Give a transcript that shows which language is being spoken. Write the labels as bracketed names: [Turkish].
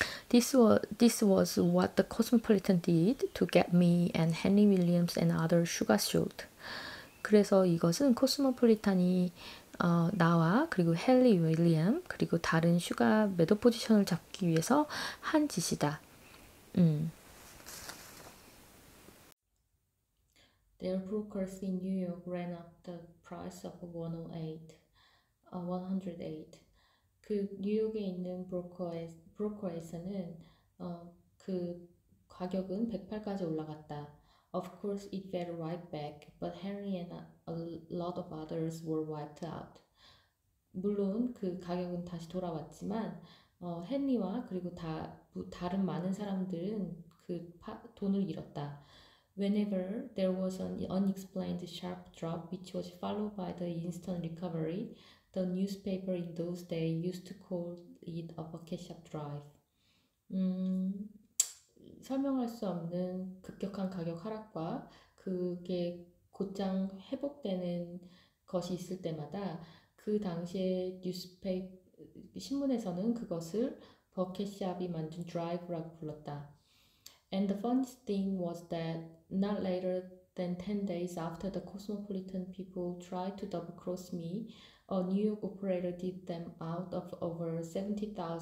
[English] This was what the Cosmopolitan did to get me and Henry Williams and other sugar short. [Korean] 그래서 이것은 코스모폴리탄이 나와 그리고 헨리 윌리엄 그리고 다른 슈가 매도 포지션을 잡기 위해서 한 짓이다. [English] Their brokers in New York ran up the price of 108. [Korean] 그 뉴욕에 있는 브로커에서는 그 가격은 108까지 올라갔다. [English] Of course, it fell right back, but Henry and a lot of others were wiped out. [Korean] 물론 그 가격은 다시 돌아왔지만, 헨리와 그리고 다른 많은 사람들은 그 돈을 잃었다. [English] Whenever there was an unexplained sharp drop, which was followed by the instant recovery, the newspaper in those days used to call it a bucket shop drive. [Korean] 설명할 수 없는 급격한 가격 하락과 그게 곧장 회복되는 것이 있을 때마다 그 당시에 신문에서는 그것을 버켓샵이 만든 드라이브라고 불렀다. [English] And the funniest thing was that not later than 10 days after the cosmopolitan people tried to double cross me, a New York operator did them out of over $70,000.